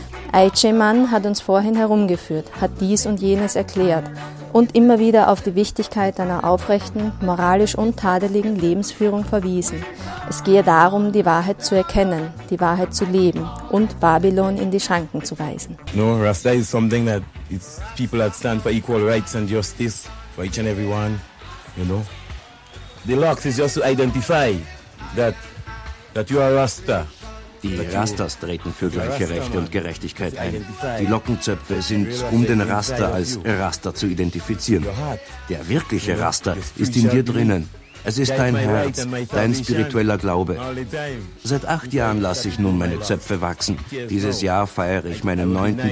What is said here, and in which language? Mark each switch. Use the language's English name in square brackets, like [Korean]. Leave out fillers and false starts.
[German] Aiche Mann hat uns vorhin herumgeführt, hat dies und jenes erklärt und immer wieder auf die Wichtigkeit einer aufrechten, moralisch untadeligen Lebensführung verwiesen. Es gehe darum, die Wahrheit zu erkennen, die Wahrheit zu leben und Babylon in die Schranken zu weisen. [English] No, Rasta is something that it's people that stand for equal rights and justice for each and everyone, you know. The locks is just to identify that you are Rasta. [German] Die Rastas treten für gleiche Rechte und Gerechtigkeit ein. Die Lockenzöpfe sind, um den Raster als Raster zu identifizieren. Der wirkliche Raster ist in dir drinnen. Es ist dein Herz, dein spiritueller Glaube. Seit 8 Jahren lasse ich nun meine Zöpfe wachsen. Dieses Jahr feiere ich meinen 9.